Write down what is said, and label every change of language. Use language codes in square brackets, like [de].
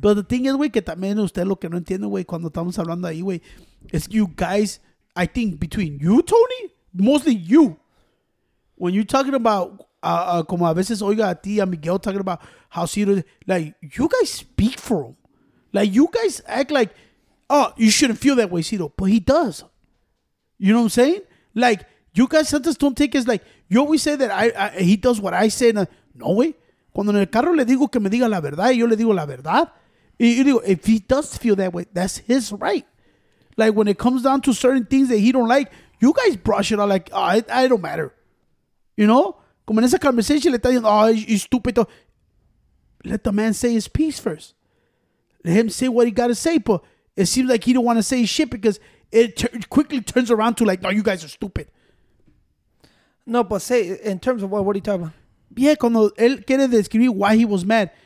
[en] But the thing is, güey, [es] que también usted lo que no entiende, güey, cuando estamos hablando ahí, [en] güey, is you guys, I think between you, Tony, mostly you, when you're talking about, [es] como a veces oiga a ti, [en] a Miguel talking about how serious, like, you guys speak for him. Like, you guys act like, oh, you shouldn't feel that way, Ciro, but he does. You know what I'm saying? Like, you guys sometimes don't take it, like, you always say that he does what I say, no way. [es] Cuando en el carro le digo que me diga la verdad, y yo le digo la verdad. Y yo digo, [en] if he does feel that way, that's his right. Like, when it comes down to certain things that he don't like, you guys brush it out like, oh, I don't matter. You know? [es] Como en esa [en] conversation [es] le está diciendo, [en] oh, you stupid. Let the man say his piece first. Let him say what he got to say. But it seems like he don't want to say shit because quickly turns around to like, no, you guys are stupid. No, but say, in terms of what are you talking about? Yeah, [es] cuando él quiere describir [en] why he was mad.